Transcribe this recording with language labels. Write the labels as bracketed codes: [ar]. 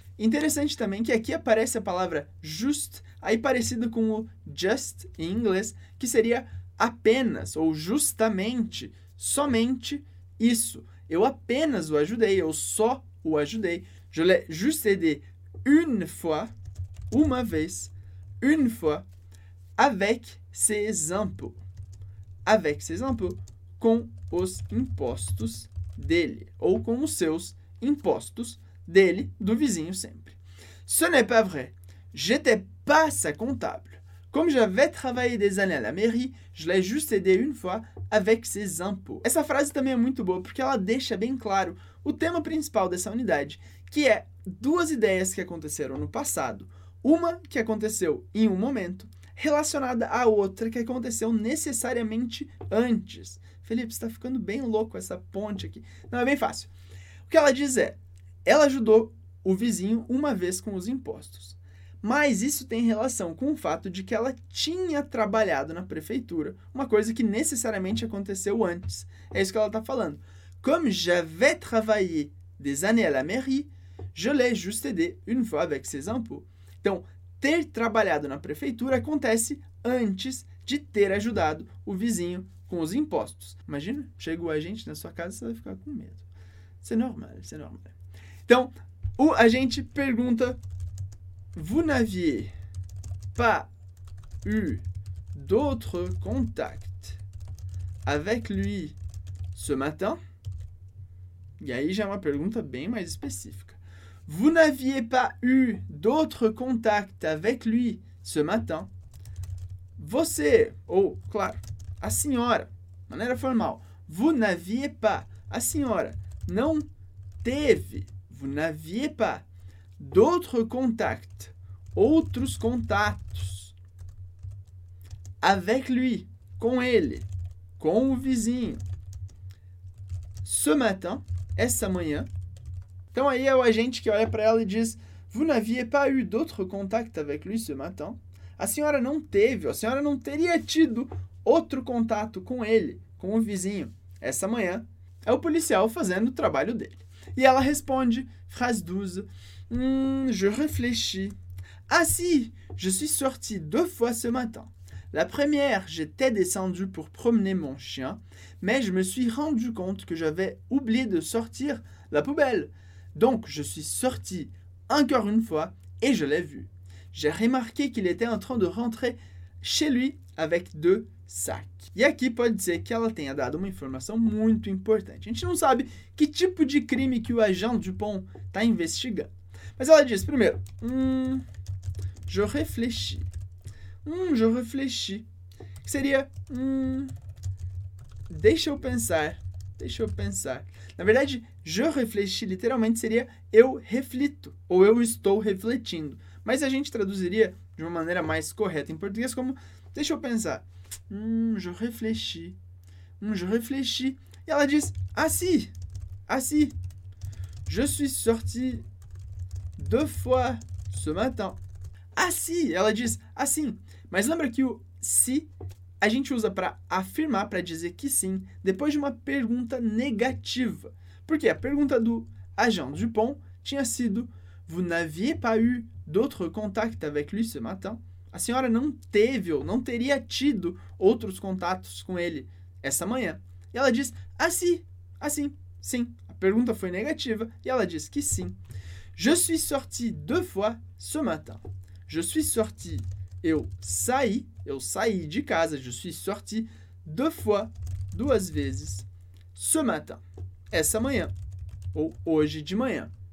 [pt] Interessante também que aqui aparece a palavra just, aí parecido com o just em inglês, que seria apenas ou justamente, somente isso. Eu apenas o ajudei, eu só o ajudei. [fr] Je l'ai juste aidé une fois, [pt] uma vez, [fr] une fois, avec ses impôts. Avec ses impôts, [pt] com os impostos dele, ou com os seus impostos dele, do vizinho sempre. [fr] Ce n'est pas vrai. J'étais pas sa comptable. Comme j'avais travaillé des années à la mairie, je l'ai juste aidé une fois avec ses impôts. [pt] Essa frase também é muito boa, porque ela deixa bem claro o tema principal dessa unidade, que é duas ideias que aconteceram no passado. Uma que aconteceu em um momento, relacionada à outra que aconteceu necessariamente antes. Felipe, está ficando bem louco essa ponte aqui. Não, é bem fácil. O que ela diz é, ela ajudou o vizinho uma vez com os impostos. Mas isso tem relação com o fato de que ela tinha trabalhado na prefeitura, uma coisa que necessariamente aconteceu antes. É isso que ela está falando. [fr] Comme j'avais travaillé des années à la mairie, je l'ai juste aidé une fois avec ses impôts. [pt] Então, ter trabalhado na prefeitura acontece antes de ter ajudado o vizinho com os impostos. Imagina, chega o agente na sua casa e você vai ficar com medo. Isso é normal, isso é normal. Então, o agente pergunta, [fr] vous n'aviez pas eu d'autre contact avec lui ce matin? [pt] E aí já é uma pergunta bem mais específica. [fr] Vous n'aviez pas eu d'autre contact avec lui ce matin? [pt] Você, ou, claro, a senhora, de maneira formal, [fr] vous n'aviez pas, [pt] a senhora, não teve, [fr] vous n'aviez pas d'autre contact, [pt] outros contatos, [fr] avec lui, [pt] com ele, com o vizinho, [fr] ce matin, [pt] essa manhã. Então aí é o agente que olha para ela e diz, [fr] vous n'aviez pas eu d'autre contact avec lui ce matin? [pt] A senhora não teve, a senhora não teria tido outro contato com ele, com o vizinho, essa manhã. É o policial fazendo o trabalho dele. E ela responde, phrase 12, [fr] je réfléchis. Ah si, je suis sorti deux fois ce matin. La première, j'étais descendu pour promener mon chien, mais je me suis rendu compte que j'avais oublié de sortir la poubelle. Donc, je suis sorti encore une fois et je l'ai vu. J'ai remarqué qu'il était en train de rentrer chez lui avec deux sacs. [pt] E aqui pode ser que ela tenha dado uma informação muito importante. A gente não sabe que tipo de crime que o agente Dupont está investigando. Mas ela diz, primeiro, [fr] je réfléchis. Je réfléchis. [pt] Seria, deixa eu pensar. Na verdade, [fr] je réfléchis [pt] literalmente seria eu reflito ou eu estou refletindo. Mas a gente traduziria de uma maneira mais correta em português como deixa eu pensar. [fr] Je réfléchis. Je réfléchis. [pt] E ela diz, [fr] ah, si. Je suis sorti deux fois ce matin. Ah, si. [pt] Ela diz, ah, sim. Mas lembra que o si a gente usa para afirmar, para dizer que sim, depois de uma pergunta negativa. Porque a pergunta do agente Dupont tinha sido [fr] vous n'aviez pas eu d'autre contact avec lui ce matin? [pt] A senhora não teve ou não teria tido outros contatos com ele essa manhã. E ela diz, sim. A pergunta foi negativa e ela diz que sim. [fr] Je suis sorti deux fois ce matin. Je suis sorti, [pt] eu saí de casa, [fr] je suis sorti deux fois, [pt] duas vezes, [fr] ce matin. [pt] Essa manhã, ou hoje de manhã.